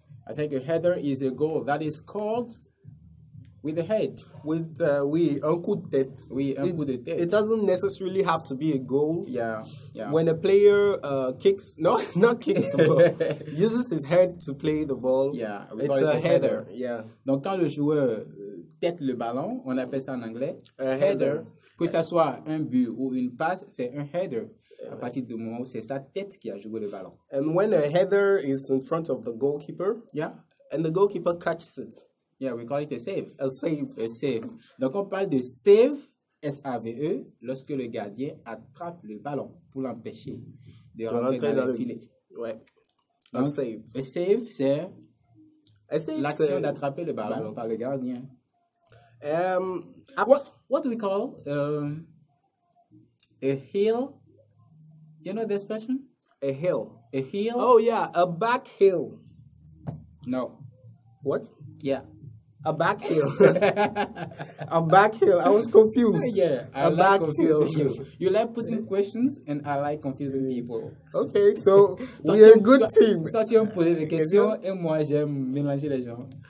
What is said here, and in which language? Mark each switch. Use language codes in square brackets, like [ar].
[en] I think a header is a goal that is scored with the head. [fr] With, un coup de tête. Oui, un coup de tête. [en] It doesn't necessarily have to be a goal. Yeah. When a player kicks, no, not kicks, but uses his head to play the ball. Yeah. It's a header. Yeah. [fr] Donc, quand le joueur tête le ballon, on appelle ça en anglais [en] a header. [fr] Que ça soit un but ou une passe, c'est un header. À partir du moment où c'est sa tête qui a joué le ballon. [en] And when a header is in front of the goalkeeper, and the goalkeeper catches it. Yeah, we call it a save. A save. A save. [fr] Donc on parle de save, S-A-V-E, lorsque le gardien attrape le ballon pour l'empêcher de rentrer dans le filet. Ouais. [en] Donc, a save. A save, [fr] l'action c'est d'attraper le ballon par le gardien. [en] What do we call a hill? Do you know the expression? A hill. Oh yeah, a back hill. No. What? Yeah. A back hill. A back hill. I was confused. Yeah. A back hill. You like putting questions, and I like confusing people. Okay, so we're a good team. [fr] Toi tu aimes poser des questions et moi j'aime mélanger les gens.